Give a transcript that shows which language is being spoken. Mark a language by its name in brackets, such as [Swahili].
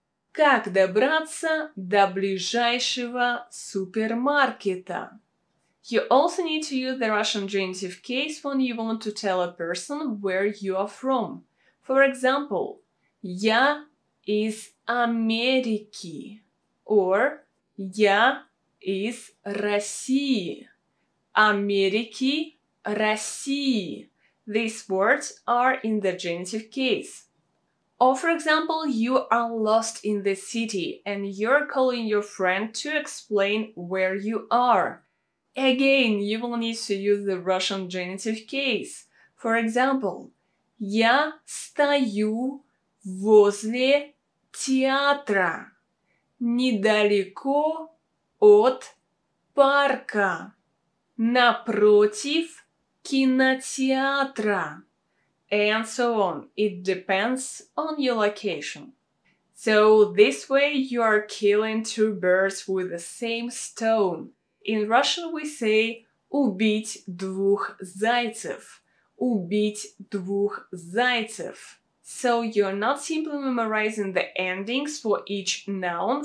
[Russian] Как добраться до ближайшего супермаркета? [English] You also need to use the Russian genitive case when you want to tell a person where you are from. For example, [Russian] я из Америки. [English] Or [Russian] я из России. Америки, России. [English] These words are in the genitive case. Or, for example, you are lost in the city and you're calling your friend to explain where you are. Again, you will need to use the Russian genitive case. For example, [Russian] я стою возле театра, недалеко от парка, напротив кинотеатра. [English] And so on. It depends on your location. So this way you are killing two birds with the same stone. In Russian we say [Russian] убить двух зайцев. Убить двух зайцев. [English] So you're not simply memorizing the endings for each noun.